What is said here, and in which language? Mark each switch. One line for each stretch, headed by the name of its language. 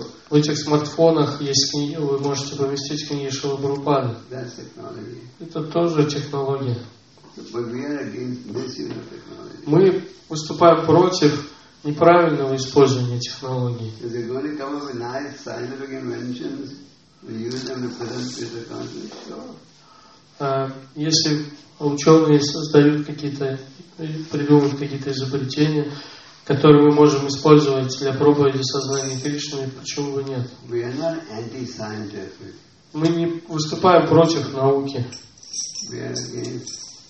Russian: В этих смартфонах есть книги, вы можете поместить книги Шрилы Прабхупады. Это тоже технология.
English: But we are against misuse of technology.
Russian: Мы выступаем против неправильного использования технологий.
English: If you're going to come up with nice scientific inventions, we use them to present to the country.
Russian: Если ученые создают придумывают какие-то изобретения, которые мы можем использовать для проповеди сознания Кришны, почему бы нет?
English: We are not anti-scientific.
Russian: Мы не выступаем против науки.
English: We are against.